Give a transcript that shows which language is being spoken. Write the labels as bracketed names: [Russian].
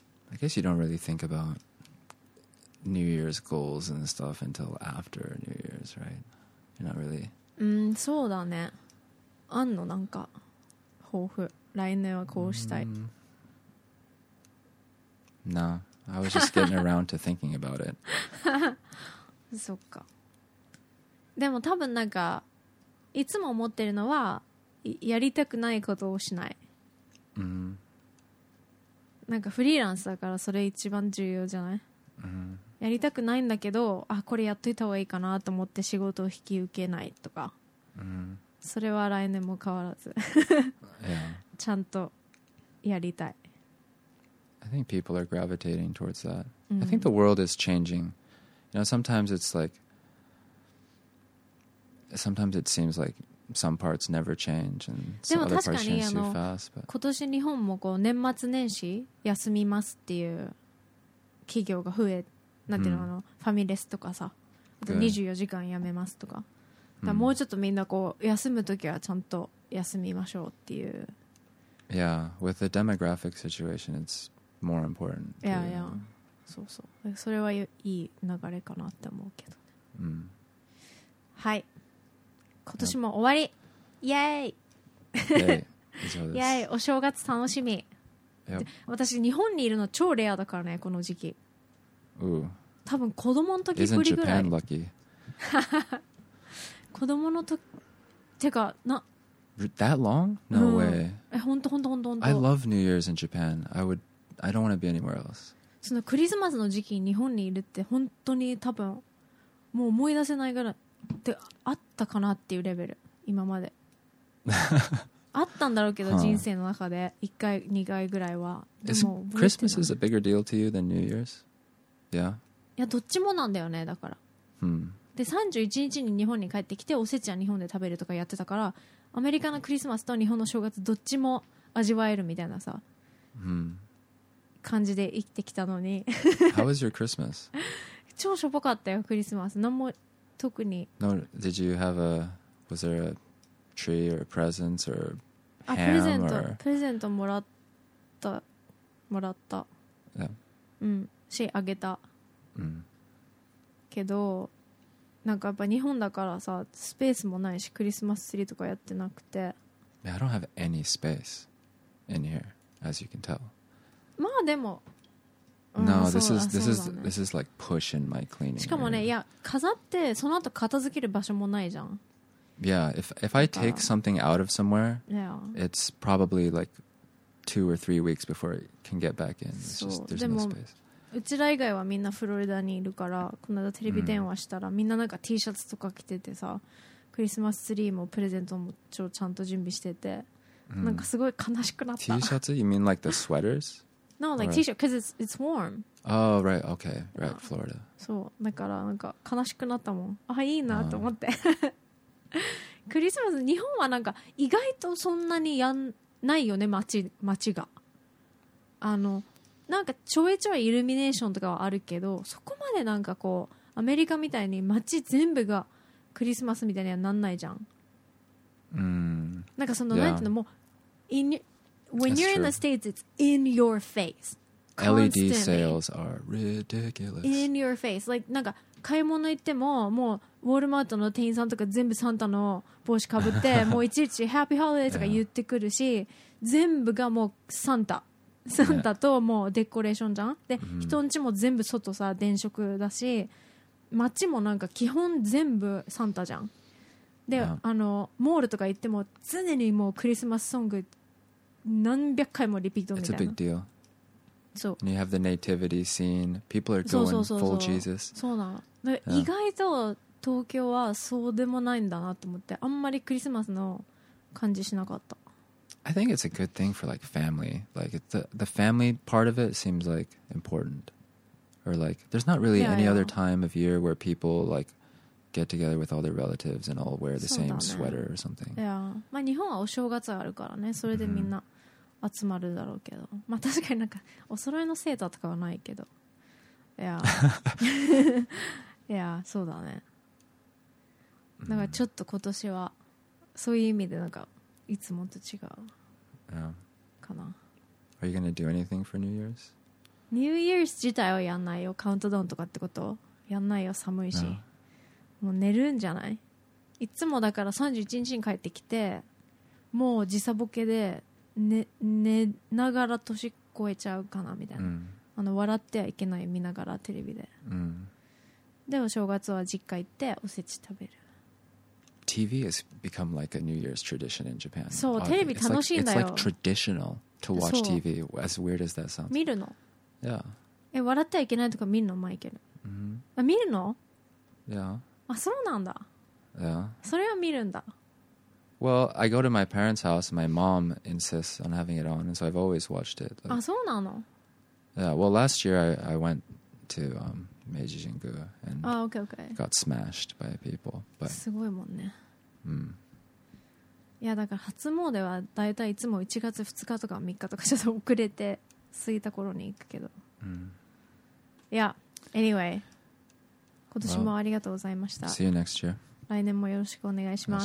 [English] I guess you don't really think about New Year's goals and stuff until after New Year's, right? You're not really. [Japanese] そうだね。あんのなんか抱負。来年はこうしたい。 [English] No, I was just getting around to thinking about it. [Japanese] そっか。でも多分なんかいつも思ってるのはやりたくないことをしない。 Mm-hmm. なんかフリーランスだからそれ一番重要じゃない。 Mm-hmm. やりたくないんだけど、あ、これやっといた方がいいかなと思って仕事を引き受けないとか。 Mm-hmm. それは来年も変わらず。 Yeah. ちゃんとやりたい。 [English] I think people are gravitating towards that. Mm-hmm. I think the world is changing. You know, sometimes it's like, sometimes it seems like some parts never change and some other parts change too fast. But [Japanese] 今年日本もこう年末年始休みますっていう企業が増え、なんていうの、あのファミレスとかさ、24時間やめますとか。だからもうちょっとみんなこう休むときはちゃんと休みましょうっていう。 [English] Yeah, with the demographic situation, it's more important. Yeah, yeah. [Japanese] そうそう。それはいい流れかなって思うけどね。はい。今年も終わり。イエーイ。以上です。イエーイ。お正月楽しみ。 Yep. 私日本にいるの超レアだからね、この時期。 Ooh. 多分子供の時ぶりぐらい。 [English] Isn't Japan lucky? [Japanese] 子供の時てかな。 [English] That long? No way. [Japanese] え、本当本当本当本 [English] 当。I love New Year's in Japan. I don't want to be anywhere else. [Japanese] そのクリスマスの時期に日本にいるって本当に多分もう思い出せないぐらい。であったかなっていうレベル今まであったんだろうけど、huh. 人生の中で1回2回ぐらいは。でも [English] Christmas is a bigger deal to you than New Year's? Yeah? [Japanese] いやどっちもなんだよね、だから、で31日に日本に帰ってきておせちは日本で食べるとかやってたから、アメリカのクリスマスと日本の正月どっちも味わえるみたいなさ、感じで生きてきたのに。 [English] How was your Christmas? [Japanese] 超しょぼかったよクリスマス、何も特に。 [English] No, did you have a, was there a tree or a present or ham? [Japanese] プレゼント、プレゼントもらった、もらった。 Yeah. うん、し、あげた。うん。けど、なんかやっぱ日本だからさ、スペースもないし、クリスマスツリーとかやってなくて。 [English] I don't have any space in here, as you can tell. [Japanese] まあでも。 [English] No, this is like push in my cleaning. [Japanese] しかもね、いや、飾ってその後片付ける場所もないじゃん。 [English] Yeah, if I take something out of somewhere, yeah. it's probably like two or three weeks before it can get back in. It's just, there's no space. [Japanese] うちら以外はみんなフロリダにいるから、この間テレビ電話したら、みんななんか T シャツとか着ててさ、クリスマスツリーもプレゼントも超ちゃんと準備してて、なんかすごい悲しくなった。 [English] T シャツ?You mean like the sweaters? No, like right. T-shirt, because it's warm. Oh, right, okay, right, yeah. Florida. [Japanese] そう、だからなんか悲しくなったもん。あ、いいなと思って。クリスマス、日本はなんか意外とそんなにやんないよね、街が。あの、なんかちょいちょいイルミネーションとかはあるけど、そこまでなんかこう、アメリカみたいに街全部がクリスマスみたいにはなんないじゃん。なんかその、 yeah. なんていうの、もう、 [English] When That's you're、true. In the States, it's in your face. LED sales are ridiculous. In your face. [Japanese] Like, なんか買い物行っても、もうウォールマートの店員さんとか全部サンタの帽子かぶって、もういちいちハッピーホリデーとか言ってくるし、yeah. 全部がもうサンタ。サンタともうデコレーションじゃん。で、mm-hmm. 人ん家も全部外さ、電飾だし、街もなんか基本全部サンタじゃん。で、yeah. あの、モールとか行っても常にもうクリスマスソング何百回もリピートみたいな。 [English] It's a big deal. [Japanese] そう。 [English] And you have the nativity scene. People are going full Jesus. [Japanese] そうなの。Yeah. 意外と東京はそうでもないんだなと思って、あんまりクリスマスの感じしなかった。 [English] I think it's a good thing for like family. Like the family part of it seems like important. Or like there's not really any other time of year where people like get together with all their relatives and all wear the same sweater or something. Yeah. [Japanese] まあ日本はお正月があるからね。それでみんな集まるだろうけど。まあ確かになんかお揃いのセーターとかはないけど。いや。いや、そうだね。だからちょっと今年はそういう意味でなんかいつもと違うかな。 [English] Are you gonna do anything for New Year's? [Japanese] New Year's 自体はやんないよ。カウントダウンとかってことやんないよ。寒いし、no. もう寝るんじゃない。いつもだから31日に帰ってきてもう時差ボケで 寝ながら年越えちゃうかなみたいな、あの笑ってはいけない見ながらテレビで、でも正月は実家行っておせち食べる。 [English] TV has become like a New Year's tradition in Japan. [Japanese] そう、テレビ楽しいんだよ。 [English] It's like traditional to watch TV. As weird as that sounds. [Japanese] 見るの、 yeah. 笑ってはいけないとか見るのマイケル、 mm-hmm. あ、見るの、 yeah. あ、そうなんだ、 yeah. それは見るんだ。 [English] Well, I go to my parents' house and my mom insists on having it on, and so I've always watched it. [Japanese] Like, あ、そうなの? [English] Yeah, well, last year I went to Meiji Jingu and got smashed by people. But, [Japanese] すごいもんね。うん。いや、だから初詣はだいたいいつも1月2日とか3日とかちょっと遅れて過ぎた頃に行くけど。 [English] Yeah, anyway. [Japanese] 今年もありがとうございました。 [English] See you next year. [Japanese] 来年もよろしくお願いします。